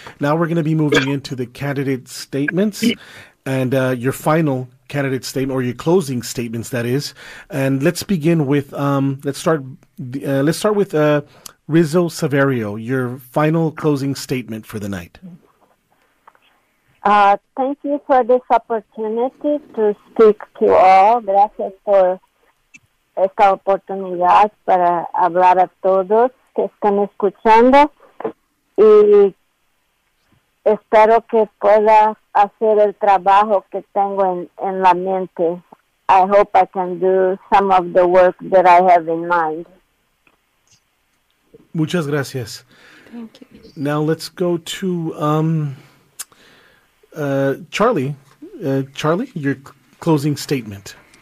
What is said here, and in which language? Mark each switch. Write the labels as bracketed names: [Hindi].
[English] Now we're going to be moving into the candidate statements and your final candidate statement or your closing statements, that is. And let's begin with let's start with Rizzo Severio, your final closing statement for the night. Thank you for this opportunity to speak to all. [Spanish] Gracias por esta oportunidad para hablar a todos que están escuchando. Y espero que pueda hacer el trabajo que tengo en la mente. [English] I hope I can do some of the work that I have in mind. [Spanish] Muchas gracias. [English] Thank you. Now let's go to... Charlie, your closing statement.